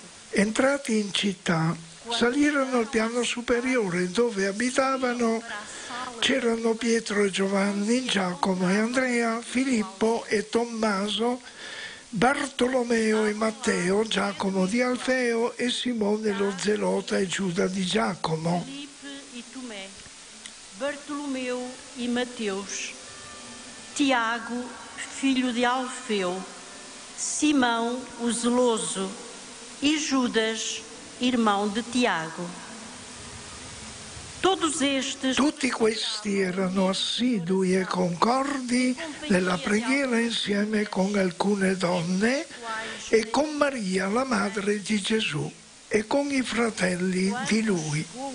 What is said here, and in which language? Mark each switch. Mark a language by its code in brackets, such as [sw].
[it] Entrati in città, salirono al piano superiore dove abitavano. C'erano Pietro e Giovanni, Giacomo e Andrea, Filippo e Tommaso, Bartolomeo e Matteo, Giacomo di Alfeo e Simone lo Zelota e Giuda di Giacomo. [pt] Filippo e Tomé, Bartolomeo e Mateus, Tiago, filho di Alfeo, Simão o Zeloso e Judas, irmão de Tiago. todos estes... [it] Tutti questi erano assidui e concordi nella preghiera insieme con alcune donne e con Maria, la madre di Gesù, e con i fratelli di Lui.